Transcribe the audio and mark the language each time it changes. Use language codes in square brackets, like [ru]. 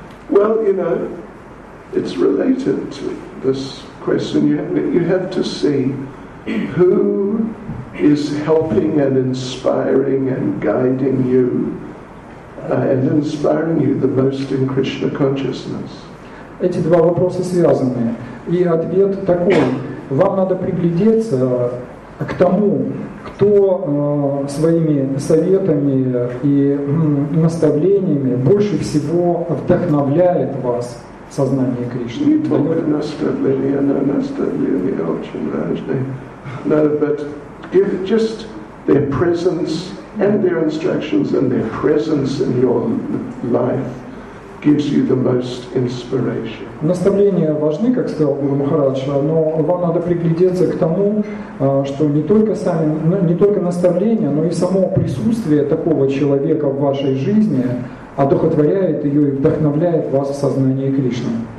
[en] Well, you know, it's related to this question. You have to see who is helping and inspiring and guiding you. And inspiring you the most in Krishna consciousness. [ru] Эти два вопроса связаны. И ответ такой. Вам надо приглядеться к тому, кто своими советами и наставлениями больше всего вдохновляет вас в сознании Кришны. Не только наставления, но наставления очень важны. [en] No, but give just their presence and their instructions and their presence in your life gives you the most inspiration. [ru] Наставления важны, как сказал Гуру Махарадж, но вам надо приглядеться к тому, что не только наставления, но и само присутствие такого человека в вашей жизни одухотворяет ее и вдохновляет вас в сознании Кришны.